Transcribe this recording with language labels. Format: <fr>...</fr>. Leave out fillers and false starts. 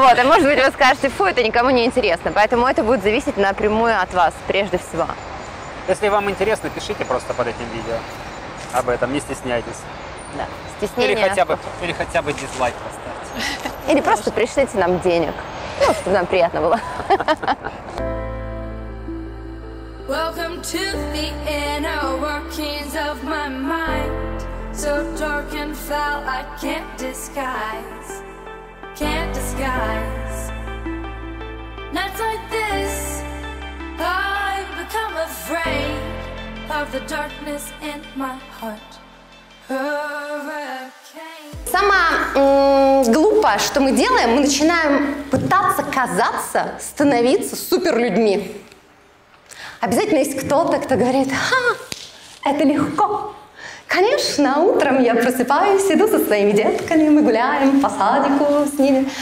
<ru>Вот. А может быть, вы скажете, фу, это никому не интересно. Поэтому это будет зависеть напрямую от вас, прежде всего. Если вам интересно, пишите просто под этим видео об этом, не стесняйтесь. Да, стеснение. Или хотя бы дизлайк поставьте. Или просто пришлите нам денег, ну, чтобы нам приятно было.</ru> <en>Welcome to the inner workings of my mind. So dark and foul I can't disguise. Can't disguise. Nights like this I become afraid of the darkness in my heart.</en> <ru>Самое глупое, что мы делаем, мы начинаем пытаться казаться, становиться суперлюдьми. Обязательно есть кто-то, кто говорит: «Ха, это легко. Конечно, утром я просыпаюсь, иду со своими детками, мы гуляем по садику с ними.</ru>